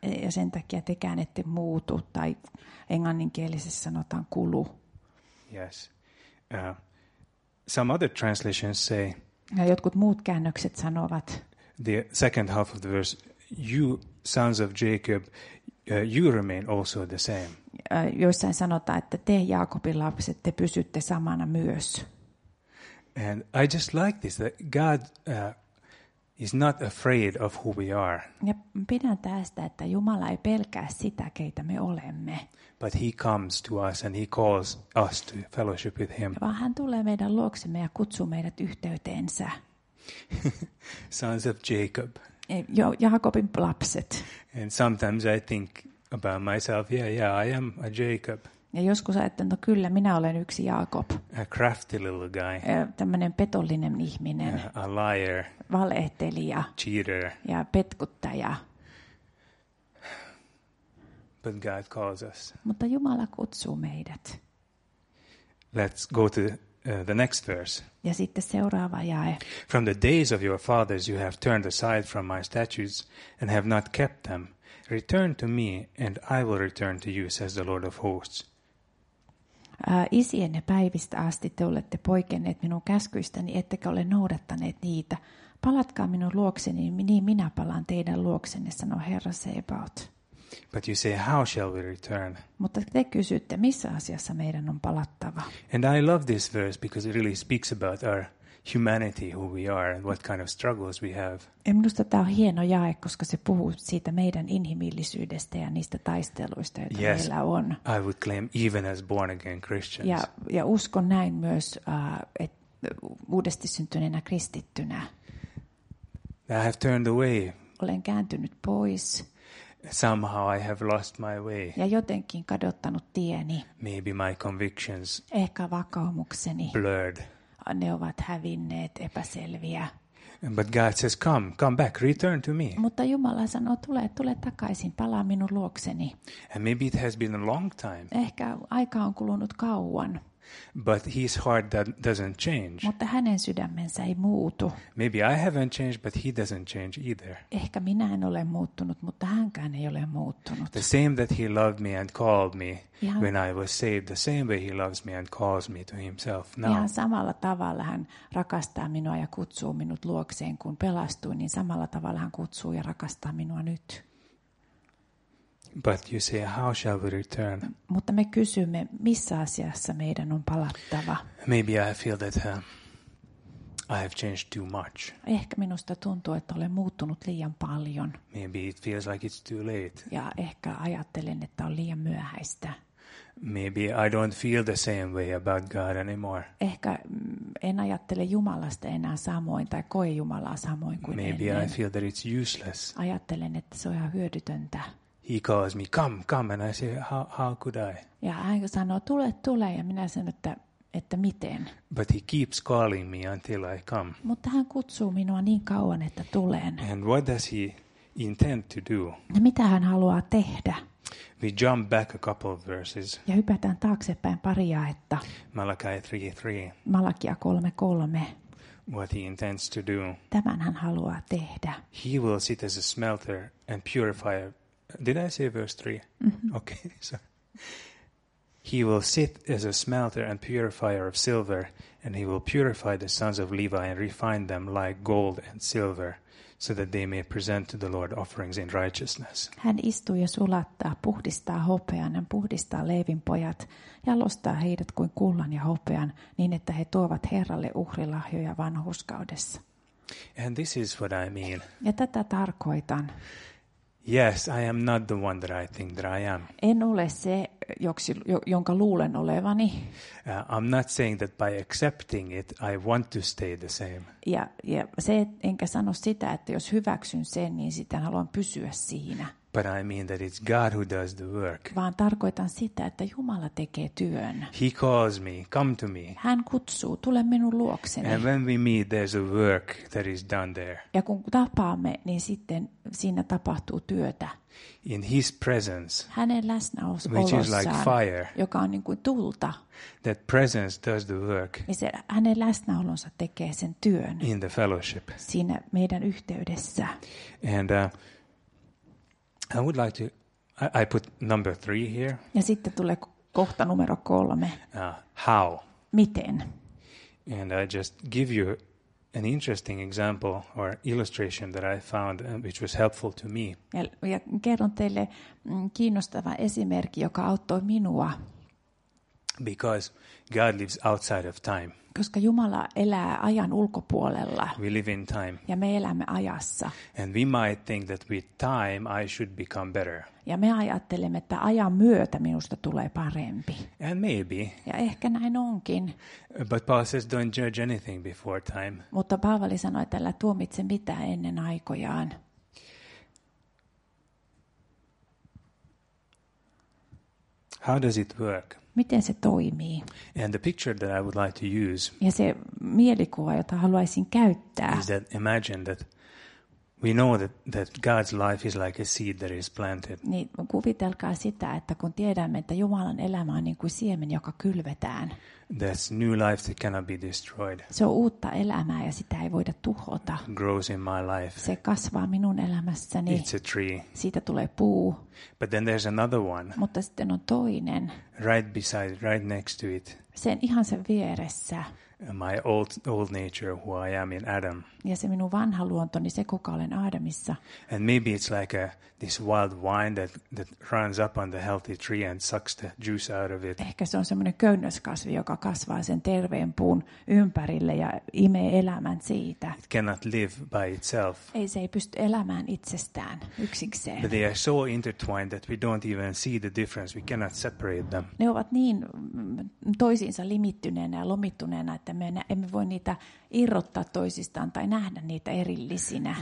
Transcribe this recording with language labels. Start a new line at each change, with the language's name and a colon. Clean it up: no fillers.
Finnish: Ja sen takia tekään ette muutu, tai englanninkielisessä sanotaan kulu.
English: Yes. Some other translations say,
Finnish: ja jotkut muut käännökset sanovat,
English: the second half of the verse, you sons of Jacob, you remain also the same.
Finnish: Joissain sanotaan, että te Jaakobin lapset, te pysytte samana myös.
English: And I just like this, that God is not afraid of who we are.
Finnish: Ja pidän tästä, että Jumala ei pelkää sitä, keitä me olemme.
English: But he comes to us and he calls us to fellowship with him.
Finnish: Vaan hän tulee meidän luoksemme ja kutsuu meidät yhteyteensä.
English: Sons of Jacob.
Finnish: Jaakobin lapset.
English: And sometimes I think about myself, yeah, I am a Jacob.
Finnish: Ja joskus ajattelen, no kyllä, minä olen yksi Jaakob.
English: A crafty little guy.
Finnish: Tämmöinen petollinen ihminen.
English: A liar.
Finnish: Valehtelija.
English: Cheater.
Finnish: Ja petkuttaja.
English: But God calls us.
Finnish: Mutta Jumala kutsuu meidät.
English: Let's go to the next verse.
Finnish: Ja sitten seuraava jae.
English: From the days of your fathers you have turned aside from my statutes and have not kept them. Return to me and I will return to you, says the Lord of hosts.
Finnish: Isienne päivistä asti te olette poikenneet minun käskyistäni, ettekä ole noudattaneet niitä. Palatkaa minun luokseni, niin minä palaan teidän luoksenne, sanoo Herra Sebaot.
English: But you say, how shall we return?
Finnish: Mutta te kysytte, missä asiassa meidän on palattava.
English: And I love this verse because it really speaks about our humanity, who we are and what kind of struggles we have.
Finnish: Ja minusta tämä on hieno jae, koska se puhuu siitä meidän inhimillisyydestä ja niistä taisteluista, joita
English: yes,
Finnish: meillä on.
English: I would claim even as born again Christians.
Finnish: Ja uskon näin myös uudesti syntyneenä kristittynä.
English: I have turned away.
Finnish: Olen kääntynyt pois.
English: Somehow I have lost my way.
Finnish: Ja jotenkin kadottanut tieni.
English: Maybe my convictions.
Finnish: Ehkä vakaumukseni.
English: Blurred.
Finnish: Ne ovat hävinneet, epäselviä.
English: But God says, come back, return to me.
Finnish: Mutta Jumala sanoo, tule takaisin, palaa minun luokseni.
English: And maybe it has been a long time.
Finnish: Ehkä aika on kulunut kauan.
English: But his heart doesn't change.
Finnish: Mutta hänen sydämensä ei muutu.
English: Maybe I haven't changed, but he doesn't change either.
Finnish: Ehkä minä en ole muuttunut, mutta hänkään ei ole muuttunut.
English: The same that he loved me and called me when I was saved, the same way he loves me and calls me to himself now.
Finnish: Ihan samalla tavalla hän rakastaa minua ja kutsuu minut luokseen, kun pelastuin, niin samalla tavalla hän kutsuu ja rakastaa minua nyt.
English: But you say, how shall we return?
Finnish: Mutta me kysymme, missä asiassa meidän on palattava?
English: Maybe I feel that I have changed too much.
Finnish: Ehkä minusta tuntuu, että olen muuttunut liian paljon.
English: Maybe it feels like it's too late.
Finnish: Ja ehkä ajattelen, että on liian myöhäistä.
English: Maybe I don't feel the same way about God anymore.
Finnish: Ehkä en ajattele Jumalasta enää samoin tai koe Jumalaa samoin kuin
English: maybe
Finnish: ennen.
English: Maybe I feel that it's useless.
Finnish: Ajattelen, että se on ihan hyödytöntä.
English: He calls me, come, and I say, how could I?
Finnish: Ja hän sanoo, tule, ja minä sanon, että miten.
English: But he keeps calling me until I come.
Finnish: Mutta hän kutsuu minua niin kauan, että tulen.
English: And what does he intend to do?
Finnish: Ja mitä hän haluaa tehdä?
English: We jump back a couple of verses.
Finnish: Ja hypätään taaksepäin pari jaetta.
English: Malachi 3:3.
Finnish: Malakia 3:3.
English: What he intends to do.
Finnish: Tämän hän haluaa tehdä.
English: He will sit as a smelter and purifier. Did I say verse 3? Mm-hmm. Okay. So he will sit as a smelter and purifier of silver, and he will purify the sons of Levi and refine them like gold and silver, so that they may present to the Lord offerings in righteousness.
Finnish: Hän istuu ja sulattaa, puhdistaa hopean ja puhdistaa Leevin pojat, jalostaa heidät kuin kullan ja hopean, niin että he tuovat Herralle uhrilahjoja vanhurskaudessa.
English: And this is what I mean.
Finnish: Ja tätä tarkoitan.
English: Yes, I am not the one that I think that I am.
Finnish: En ole se, jonka luulen olevani.
English: I'm not saying that by accepting it I want to stay the same.
Finnish: Ja se, enkä sano sitä, että jos hyväksyn sen, niin sitten haluan pysyä siinä.
English: But I mean that it's God who does the work.
Finnish: Vaan tarkoitan sitä, että Jumala tekee työn.
English: He calls me, come to me.
Finnish: Hän kutsuu, tule minun luokseni.
English: And when we meet, there's a work that is done there.
Finnish: Ja kun tapaamme, niin sitten siinä tapahtuu työtä.
English: In his presence.
Finnish: Hänen läsnäolossaan.
English: Which is like fire.
Finnish: Joka on niin kuin tulta.
English: That presence does the work.
Finnish: Niin se, hänen läsnäolonsa tekee sen työn.
English: In the fellowship.
Finnish: Siinä meidän yhteydessä.
English: And I would like to I put number 3 here.
Finnish: Ja sitten tulee kohta numero 3.
English: How?
Finnish: Miten?
English: And I just give you an interesting example or illustration that I found which was helpful to me.
Finnish: Ja kerron teille kiinnostava esimerkki, joka auttoi minua.
English: Because God lives outside of time.
Finnish: Koska Jumala elää ajan ulkopuolella.
English: We live in time.
Finnish: Ja me elämme ajassa.
English: And we might think that with time I should become better.
Finnish: Ja me ajattelemme, että ajan myötä minusta tulee parempi.
English: And maybe.
Finnish: Ja ehkä näin onkin.
English: But Paul says don't judge anything before time.
Finnish: Mutta Paavali sanoi, että älä tuomitse mitään ennen aikojaan.
English: How does it work?
Finnish: Miten se toimii?
English: And the picture that I would like to use.
Finnish: Ja se mielikuva, jota haluaisin käyttää.
English: Is that imagine that we know that God's life is like a seed that is planted.
Finnish: Niin, kuvitelkaa sitä, että kun tiedämme, että Jumalan elämä on niin kuin siemen, joka kylvetään.
English: That's new life that cannot be destroyed.
Finnish: Se on uutta elämää ja sitä ei voida tuhota.
English: Grows in my life.
Finnish: Se kasvaa minun elämässäni.
English: It's a tree.
Finnish: Siitä tulee puu.
English: But then there's another one.
Finnish: Mutta sitten on toinen.
English: Right beside, right next to it.
Finnish: Sen ihan sen vieressä.
English: My old nature, who I am in Adam.
Finnish: Ja se minun vanha luontoni, se kuka olen Aadamissa.
English: And maybe it's like this wild vine that runs up on the healthy tree and sucks the juice out of it.
Finnish: Ehkä se on semmoinen köynnöskasvi, joka kasvaa sen terveen puun ympärille ja imee elämän siitä.
English: It cannot live by itself.
Finnish: Ei, se ei pysty elämään itsestään yksikseen.
English: But they are so intertwined that we don't even see the difference. We cannot separate them.
Finnish: Ne ovat niin toisiinsa limittyneenä ja lomittuneena, että me emme voi niitä irrottaa toisistaan tai nähdä niitä erillisinä.